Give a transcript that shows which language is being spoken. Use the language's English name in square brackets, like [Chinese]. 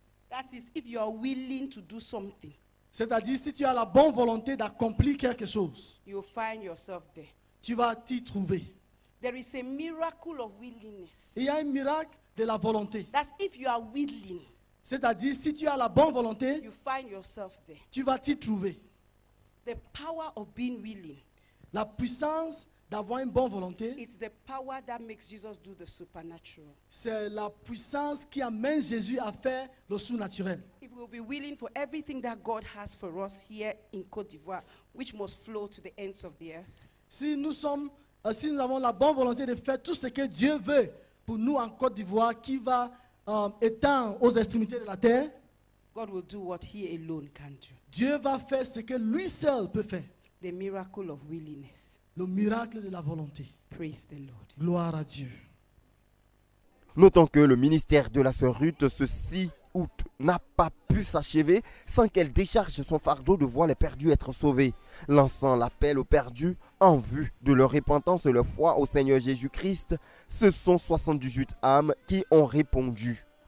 [English] That is if you are willing to do something. [French] C'est-à-dire si tu as la bonne volonté d'accomplir quelque chose. [English] You find yourself there. [French] Tu vas t'y trouver. [English] There is a miracle of willingness. [French] Il y a un miracle de la volonté. [English] That's if you are willing. [French] C'est-à-dire, si tu as la bonne volonté, [English] you find yourself there. [French] Tu vas t'y trouver. [English] The power of being willing. [French] La puissance d'avoir une bonne volonté. [English] It's the power that makes Jesus do the supernatural. [French] C'est la puissance qui amène Jésus à faire le surnaturel. [English] If we will be willing for everything that God has for us here in Côte d'Ivoire, which must flow to the ends of the earth. [French] Si nous avons la bonne volonté de faire tout ce que Dieu veut pour nous en Côte d'Ivoire, qui va étant aux extrémités de la terre, [English] God will do what he alone can do. [French] Dieu va faire ce que lui seul peut faire. [English] The miracle of willingness. [French] Le miracle de la volonté. [English] Praise the Lord. [French] Gloire à Dieu. Notons que le ministère de la sœur Ruth se scie août n'a pas pu s'achever sans qu'elle décharge son fardeau de voir les perdus être sauvés, lançant l'appel aux perdus en vue de leur repentance et leur foi au Seigneur Jésus-Christ. Ce sont 78 âmes qui ont répondu.